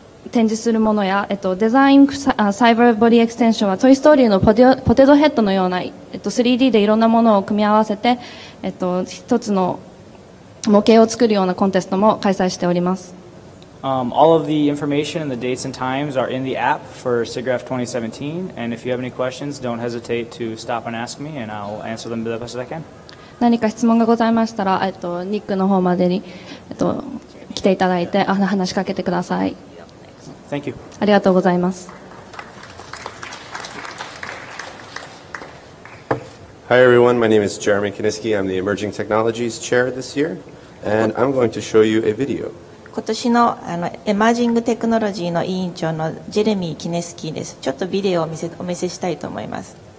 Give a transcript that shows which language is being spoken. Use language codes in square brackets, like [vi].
[ja] 展示するものや、デザインサイバーボディエクステンションはトイストーリーのポテトヘッドのような、3D でいろんなものを組み合わせて、一つの模型を作るようなコンテストも開催しております。 [en] All of the information and the dates and times are in the app for SIGGRAPH 2017. And if you have any questions, don't hesitate to stop and ask me, and I'll answer them the best I can. [ja] 何か質問がございましたら、ニックの方までに、来ていただいて、話しかけてください。 [en] Thank you. [ja] ありがとうございます。 [en] Hi everyone, my name is Jeremy Kaniski. I'm the Emerging Technologies Chair this year, and I'm going to show you a video. [ja] 今年のエマージングテクノロジーの委員長のジェレミー・キネスキーです。ちょっとビデオをお見せしたいと思います。